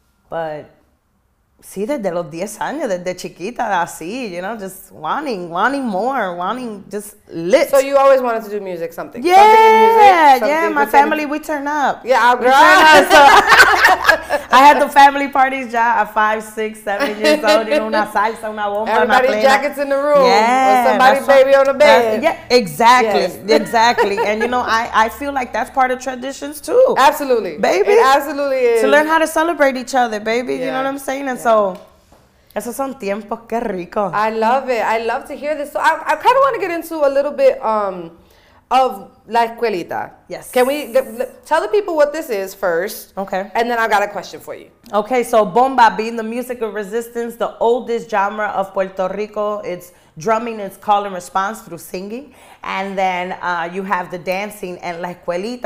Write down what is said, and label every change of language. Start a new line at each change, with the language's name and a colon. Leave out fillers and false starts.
English: But sí, desde los 10 años, desde chiquita, así, you know, just wanting more, wanting just lit. So you always wanted to do music, something. Yeah, my family, we turn up. Yeah, I'll grow up. So I had the family parties, ya, at 5, 6, 7 years old, you know, una salsa, una bomba. Everybody's jackets in the room. Yeah. Or somebody's baby on the bed. Exactly. And, you know, I feel like that's part of traditions, too. Absolutely. Baby. It absolutely is. To learn how to celebrate each other, baby, you know what I'm saying?
Spanish: So, esos son tiempos que rico.
English: I love it. I love to hear this. So, I kind of want to get into a little bit of La Escuelita. Yes. Can we tell the people what this is first? Okay. And then I've got a question for you. Okay. So, bomba, being the music of resistance, the oldest genre of Puerto Rico. It's drumming, it's call and response through singing. And then you have the dancing and La Escuelita.